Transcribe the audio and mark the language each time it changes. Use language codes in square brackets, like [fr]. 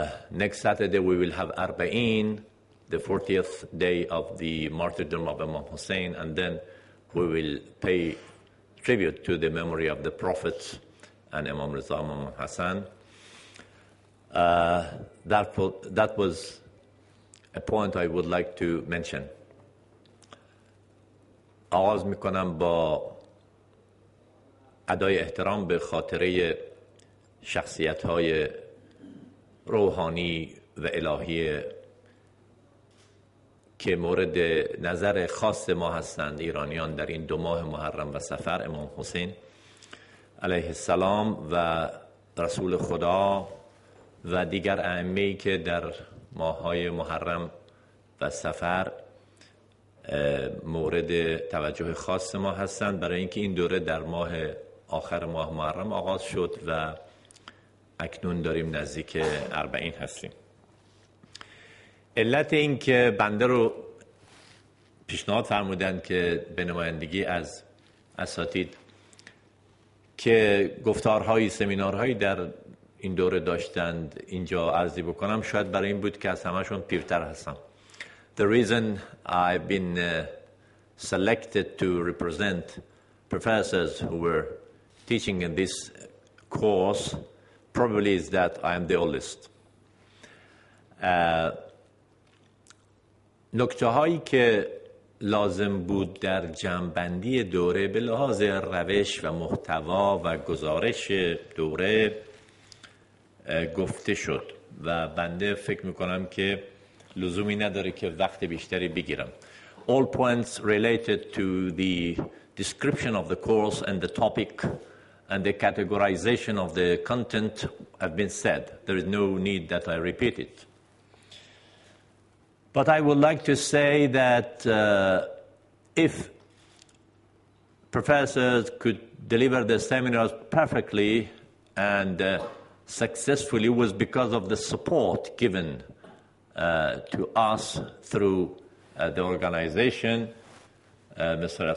[en] Next Saturday we will have Arba'in, the 40th day of the martyrdom of Imam Hussein, and then we will pay tribute to the memory of the prophets and Imam Reza, Imam Hassan. That was a point I would like to mention. [fa] آغاز میکنم با ادای احترام به خاطره شخصیت‌های روحانی و الهی که مورد نظر خاص ما هستند ایرانیان در این 2 ماه محرم و سفر، امام حسین علیه السلام و رسول خدا و دیگر ائمه‌ای که در ماه‌های محرم و سفر مورد توجه خاص ما هستند، برای اینکه این دوره در ماه آخر ماه محرم آغاز شد و اکنون داریم نزدیک 40 هستیم. علت این که بنده رو پیشنهاد فرمودن که به نمایندگی از اساتید که گفتارهایی سمینارهایی در این دوره داشتند اینجا عرضی بکنم، شاید برای این بود که از همشون پیرتر هستم. [en] The reason I've been selected to represent professors who were teaching in this course probably is that I am the oldest. [fa] نکته هایی که لازم بود در جمع‌بندی دوره به لحاظ روش و محتوا و گزارش دوره گفته شد و بنده فکر می‌کنم که لزومی نداره که وقت بیشتری بگیرم. [en] All points related to the description of the course and the topic and the categorization of the content have been said. There is no need that I repeat it. But I would like to say that if professors could deliver the seminars perfectly and successfully, it was because of the support given to us through the organization, Mr.